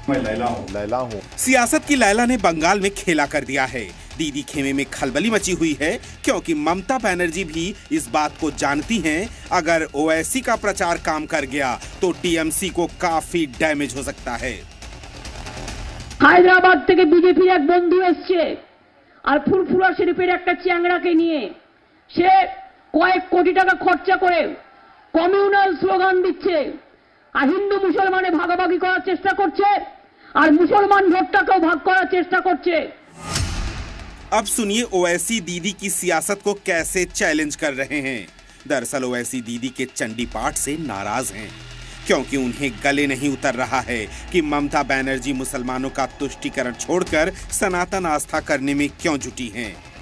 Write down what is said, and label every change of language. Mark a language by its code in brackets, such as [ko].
[hi] मैं लैला हूँ, लैला हूँ। सियासत की लैला ने बंगाल में खेला कर दिया है। दीदी खेमे में खलबली मची हुई है, क्योंकि ममता बनर्जी भी इस बात को जानती हैं, अगर ओवैसी का प्रचार काम कर गया तो टीएमसी को काफी डैमेज हो सकता है। [bn] हैदराबाद থেকে বিজেপির এক বন্ধু আসছে আর ফুলফুলা শরীফের একটা চ্যাংড়াকে নিয়ে, সে কয়েক কোটি টাকা খরচা করে কমিউনাল স্লোগান দিচ্ছে আর হিন্দু মুসলমানে ভাগাভাগি করার চেষ্টা করছে আর মুসলমান ভোটটাকেও ভাগ করার চেষ্টা করছে। [hi] अब सुनिए ओवैसी दीदी की सियासत को कैसे चैलेंज कर रहे हैं। दरअसल ओवैसी दीदी के चंडी पाठ से नाराज हैं, क्योंकि उन्हें गले नहीं उतर रहा है कि ममता बनर्जी मुसलमानों का तुष्टिकरण छोड़कर सनातन आस्था करने में क्यों जुटी हैं।